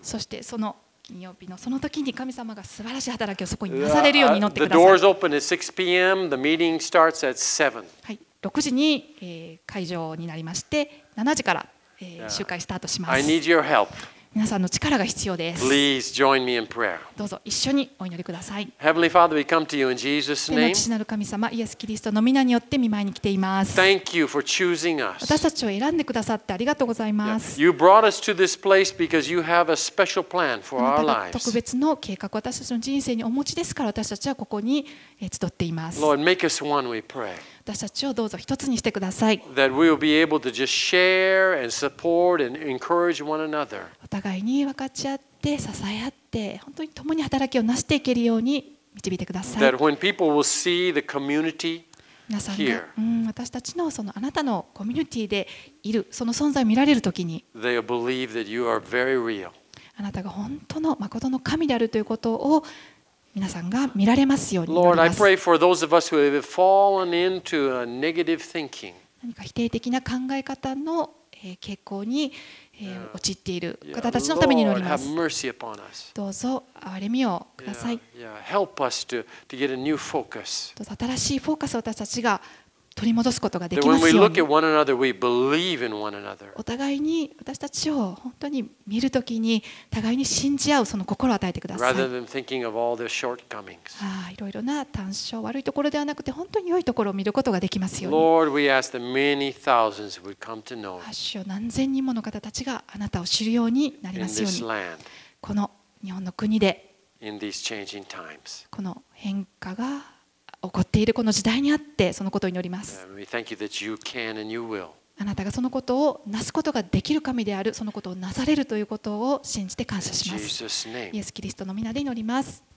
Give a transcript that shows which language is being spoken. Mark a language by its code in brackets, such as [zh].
[ja] そしてその金曜日のその時に神様が素晴らしい働きをそこになされるように祈ってください。 [en] The doors open at 6 p.m. The meeting starts at 7. [ja] はい、6時に会場になりまして、7時から集会スタートします。 [en] I need your help. [ja] 皆さんの力が必要です。 [en] Please join me in prayer. [ja] どうぞ一緒にお祈りください。 [en] Heavenly Father, we come to you in Jesus' name. [ja] 天の父なる神様、イエス・キリストの御名によって御前に来ています。 [en] Thank you for choosing us. [ja] 私たちを選んでくださってありがとうございます。 [en] You brought us to this place because you have a special plan for our lives. [ja] 特別の計画、私たちの人生にお持ちですから、私たちはここに集っています。 [en] Lord, make us one, we pray. [ja] 私たちをどうぞ一つにしてください。 [en] That we will be able to just share and support and encourage one another. [ja] お互いに分かち合って支え合って本当に共に働きを成していけるように導いてください。 [en] That when people will see the community here, [ja] 私たちのそのあなたのコミュニティでいるその存在を見られるときに、 [en] They will believe that you are very real. [ja] あなたが本当の誠の神であるということを皆さんが見られますように。 [en] Lord, I pray for those of us who have fallen into a negative thinking. [ja] 何か否定的な考え方の傾向に陥っている方たちのために祈ります。 [en] Lord, have mercy upon us. [ja] どうぞ憐れみをください。 [en] Help us to get a new focus. [ja] どうぞ新しいフォーカスを私たちが取り戻すことができますように。お互いに私たちを本当に見るときに互いに信じ合うその心を与えてください。いろいろな短所、悪いところではなくて本当に良いところを見ることができますように。 [en] Lord, we ask that many thousands would come to know. [ja] 何千人もの方たちがあなたを知るようになりますように。この日本の国で。 [en] In these changing times. [ja] この変化が。起こっているこの時代にあってそのことを祈ります。あなたがそのことをなすことができる神である、そのことをなされるということを信じて感謝します。イエス・キリストの御名で祈ります。